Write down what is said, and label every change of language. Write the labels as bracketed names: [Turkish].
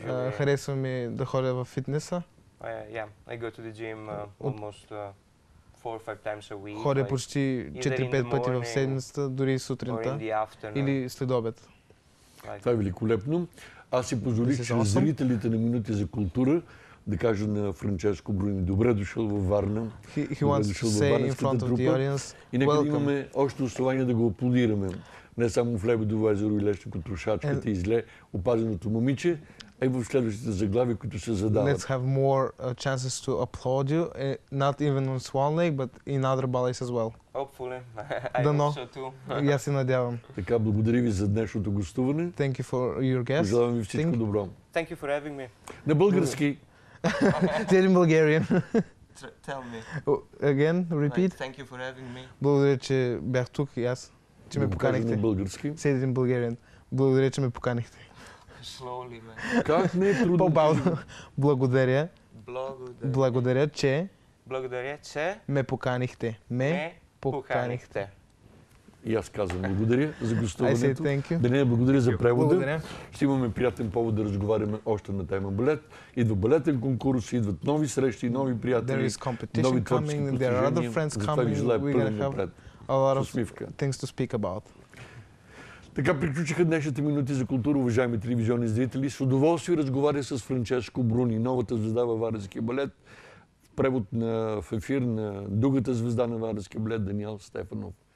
[Bulgarian] Харесва ми да ходя в фитнеса. [English] Yeah, I go to the gym almost 4-5 times a week. [Bulgarian] Ходя почти 4-5 пъти в седмицата, дори сутринта или след обед. Това е великолепно. Аз си позволих чрез зрителите на Минути за култура да кажа на Франческо Бруни: добре дошъл във Варна, добре дошъл във Варненската трупа. И нека да имаме още основания да го аплодираме. Не само в Лебедово езеро и Лещо Котрушачката и зле опазеното момиче, а и в следващите заглави, които се задават. [English] Let's have more chances to applaud you, not even on Swan Lake, but in other ballets as well. Hopefully. [Bulgarian] Дано. И аз се надявам. Така, благодаря ви за днешното гостуване. [English] Thank you for your guest. [Bulgarian] Пожелавам ви всичко добро. [English] Thank you for having me. [Bulgarian] На български. [English] Tell in Bulgarian. Tell me. Again, repeat. Like, thank you for having me. [Bulgarian] Благодаря, че бях тук и аз. Че ме поканихте. На български. [English] Said in Bulgarian. [Bulgarian] Благодаря, че ме поканихте. [English] Slowly, man. [Bulgarian] Как не е трудно? По-бавно. Благодаря. Благодаря, че... Ме поканихте. Ме поканихте. И аз казвам благодаря за гостуването. Даниел, благодаря за превода. Благодаря. Ще имаме приятен повод да разговаряме още на тема балет. Идва балетен конкурс, идват нови срещи, нови приятели. [English] There is competition нови coming, there are other friends coming. [Bulgarian] Затова ви желая пълен напред. [English] A lot of things to speak about. [Bulgarian] Така приключиха днешните Минути за култура, уважаеми телевизионни зрители. С удоволствие разговарях с Франческо Бруни, новата звезда във Варненския балет. Превод в ефир на другата звезда на Варненския балет, Даниел Стефанов.